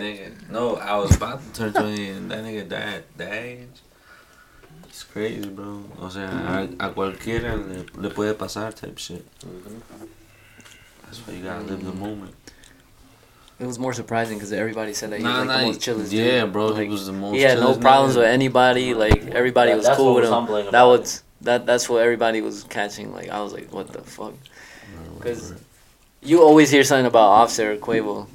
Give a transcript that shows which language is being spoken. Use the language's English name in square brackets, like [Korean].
[English] Nigga, no, I was about to turn 20, and that nigga died. It's crazy, bro. [Spanish] O sea, a cualquiera le puede pasar [English] type shit. That's why you gotta live the moment. It was more surprising because everybody said that he was the most chillest dude. Yeah, bro, he was the most. He had no problems with anybody. Like everybody was cool with him. That's what everybody was catching. Like I was like, what the fuck? Because you always hear something about Offset or Quavo.